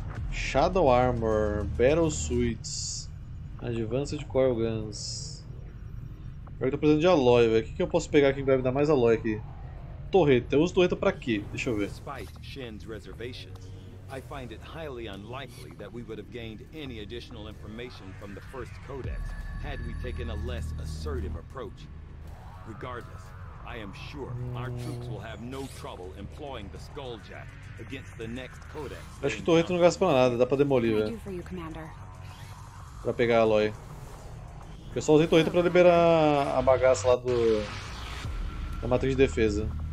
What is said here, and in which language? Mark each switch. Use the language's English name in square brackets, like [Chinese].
[English] Shadow Armor, Battle Suits, Advanced Coil Guns. [Portuguese] Agora que eu tô precisando de alloy, velho. O que, que eu posso pegar aqui que vai me dar mais alloy aqui? Torreta. Eu uso torreta pra quê? Deixa eu ver. [English] Despite Shen's reservations, I find it highly unlikely that we would have gained any additional information from the first codex had we taken a less assertive approach. Regardless, I am sure our troops will have no trouble employing the Skulljack against the next codex. [Portuguese] Acho que torreta não gasta pra nada, dá pra demolir, velho. Pra pegar alloy. Eu só usei torreta pra liberar a bagaça lá da matriz de defesa.